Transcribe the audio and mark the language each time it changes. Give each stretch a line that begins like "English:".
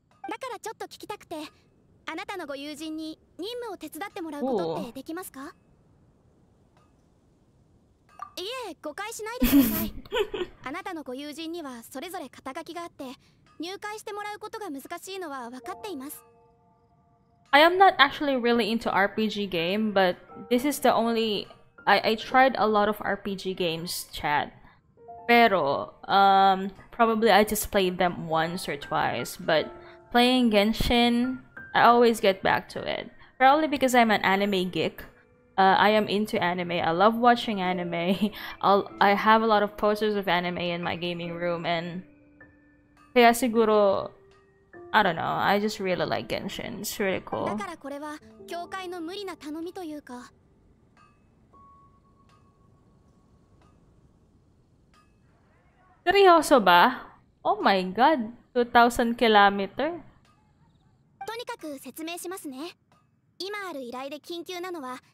Japanese: だからちょっと聞きたくて、あなたのご友人に任務を手伝ってもらうことってできますか？いえ、誤解しないでください。あなたのご友人にはそれぞれ肩書きがあって、入会してもらうことが難しいのは分かっています。
English: I am not actually really into RPG game, but this is the only I tried a lot of RPG games, chat.
Filipino: Pero,
English: probably I just played them once or twice, but playing Genshin, I always get back to it. Probably because I'm an anime geek. I am into anime. I love watching anime. I have a lot of posters of anime in my gaming room, and
Filipino: kaya siguro,
English: I don't know. I just really like Genshin. It's really cool.
Japanese: だからこれは教会の無理な頼みというか。
Filipino: Seryoso ba?
English: Oh my god, 2,000 kilometer.
Japanese: とにかく説明しますね。今ある依頼で緊急なのは。